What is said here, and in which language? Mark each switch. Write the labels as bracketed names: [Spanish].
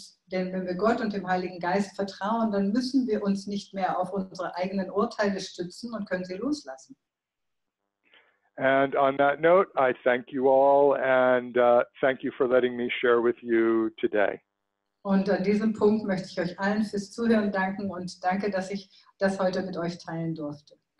[German] Denn wenn wir Gott und dem Heiligen Geist vertrauen, dann müssen wir uns nicht mehr auf unsere eigenen Urteile stützen und können sie loslassen. [English] And on that note, I thank you all and thank you for letting me share with you today. [German] Und an diesem Punkt möchte ich euch allen fürs Zuhören danken und danke, dass ich das heute mit euch teilen durfte.